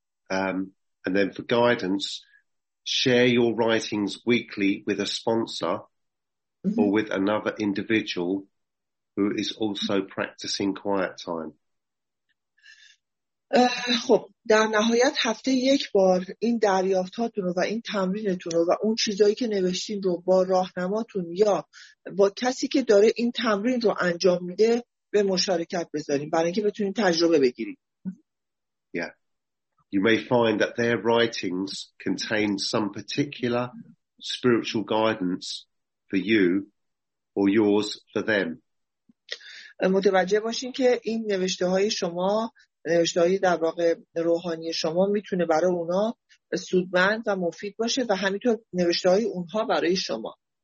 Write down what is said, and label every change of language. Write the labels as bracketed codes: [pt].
[en] And then for guidance, share your writings weekly with a sponsor or with another individual who is also practicing quiet time. [fa] خب در نهایت هفته یک بار این دریافتاتون رو و این تمرینتون رو و اون چیزایی که نوشتین رو با راهنماتون یا با کسی که داره این تمرین رو انجام میده به مشارکت بذارین، برای اینکه بتونین تجربه بگیرید. [en] Yeah. You may find that their writings contain some particular spiritual guidance for you or yours for them. [fa] متوجه باشین که این نوشته های شما، نوشته‌های در واقع روحانی شما میتونه برای اونا سودمند و مفید باشه و همینطور نوشته‌های اونها برای شما.